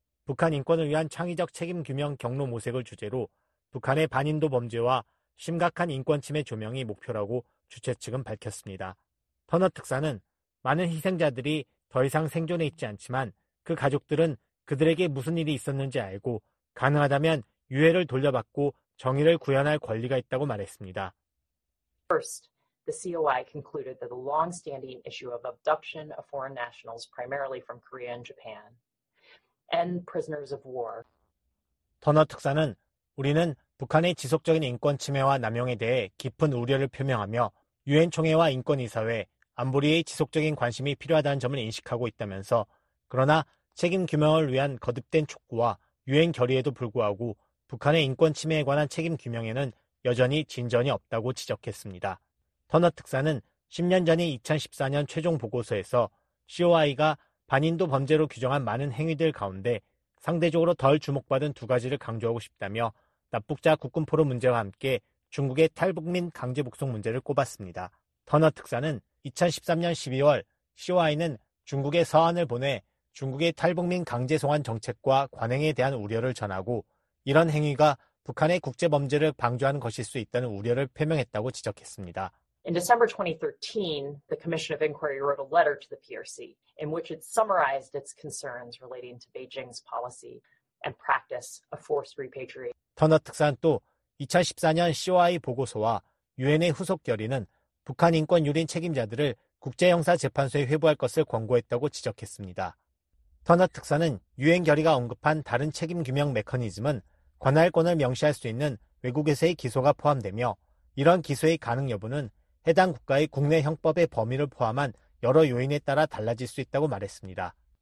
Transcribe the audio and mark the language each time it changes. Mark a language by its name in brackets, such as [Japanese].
[Korean] 북한 인권을 위한 창의적 책임 규명 경로 모색을 주제로 북한의 반인도 범죄와 심각한 인권 침해 조명이 목표라고 주최 측은 밝혔습니다. 터너 특사는 많은 희생자들이 더 이상 생존해 있지 않지만 그 가족들은 그들에게 무슨 일이 있었는지 알고 가능하다면 유해를 돌려받고 정의를 구현할 권리가 있다고 말했습니다. [English] First, the COI concluded that the long-standing issue of abduction of foreign nationals, primarily from Korea and Japan, and prisoners of war. [Korean] 터너 특사는 우리는 북한의 지속적인 인권 침해와 남용에 대해 깊은 우려를 표명하며 유엔 총회와 인권이사회, 안보리의 지속적인 관심이 필요하다는 점을 인식하고 있다면서 그러나 책임 규명을 위한 거듭된 촉구와 유엔 결의에도 불구하고 북한의 인권 침해에 관한 책임 규명에는 여전히 진전이 없다고 지적했습니다. 터너 특사는 10년 전인 2014년 최종 보고서에서 COI가 반인도 범죄로 규정한 많은 행위들 가운데 상대적으로 덜 주목받은 두 가지를 강조하고 싶다며 납북자 국군포로 문제와 함께 중국의 탈북민 강제북송 문제를 꼽았습니다. 터너 특사는 2013년 12월 COI는 중국에 서한을 보내 중국의 탈북민 강제송환 정책과 관행에 대한 우려를 전하고 이런 행위가 북한의 국제 범죄를 방조하는 것일 수 있다는 우려를 표명했다고 지적했습니다. [English] In December 2013, the Commission of Inquiry wrote a letter to the PRC in which it summarized its concerns relating to Beijing's policy and practice of forced repatriation. [Korean] 터너 특사는 또 2014년 COI 보고서와 유엔의 후속 결의는 북한 인권 유린 책임자들을 국제형사재판소에 회부할 것을 권고했다고 지적했습니다. 터너 특사는 유엔 결의가 언급한 다른 책임 규명 메커니즘은 관할권을 명시할 수 있는 외국에서의 기소가 포함되며 이런 기소의 가능 여부는 해당 국가의 국내 형법의 범위를 포함한 여러 요인에 따라 달라질 수 있다고 말했습니다.